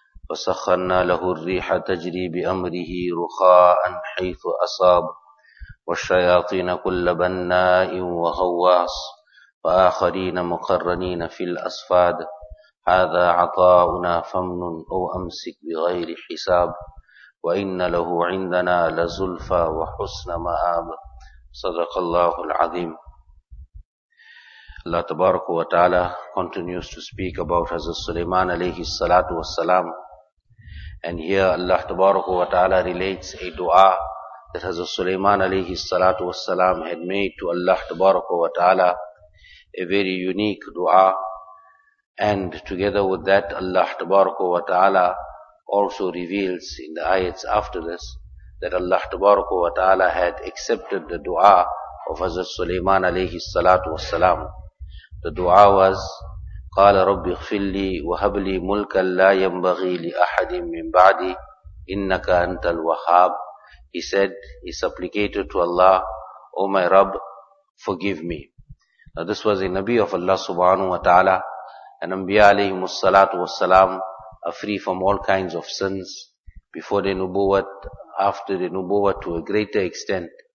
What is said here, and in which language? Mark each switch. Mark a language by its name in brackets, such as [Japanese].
[Arabic] فسخرنا له الريح تجري بأمره رخاء حيث أصاب والشياطين كل بناء وغواص وآخرين مقرنين في الأصفاد هذا عطاؤنا فامنن أو أمسك بغير حساب وإن له عندنا لزلفى وحسن مآب صدق الله العظيم. الله تبارك وتعالى [English] continues to speak about Hazrat Sulaiman alayhi salatu wassalam, and here Allah [Arabic] تبارك وتعالى [English] relates a dua that Hazrat Sulaiman alayhi salatu wassalam had made to Allah تبارك وتعالى, a very unique dua. And together with that, Allah [Arabic] تبارك وتعالى [English] also reveals in the ayats after this that Allah tabaraka wa ta'ala had accepted the dua of Hazrat Sulaiman alayhi salatu wa salam. The dua was, [Arabic] قَالَ رَبِّ اغْفِرْ لِي وَهَبْ لِي مُلْكًا لَا يَنْبَغِي لِأَحَدٍ مِّن بَعْدِي إِنَّكَ أَنْتَ الْوَحَّابُ. [English] He said, he supplicated to Allah, O my Rabb, forgive me. Now this was a Nabi of Allah subhanahu wa ta'ala, an Anbiya alayhi salatu wa salam, are free from all kinds of sins, before the Nubuwat, after the Nubuwat to a greater extent.